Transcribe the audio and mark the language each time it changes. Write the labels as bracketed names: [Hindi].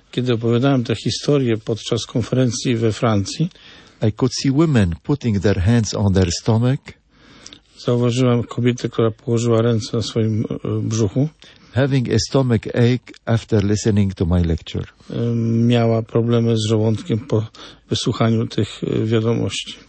[Polish] kiedy opowiadałem tę historię podczas konferencji we Francji, [English] I could see women putting their hands on their stomach, [Polish] zauważyłem kobietę, która położyła ręce na swoim brzuchu, [English] having a stomach ache after listening to my lecture. [Polish] Miała problemy z żołądkiem po wysłuchaniu tych wiadomości.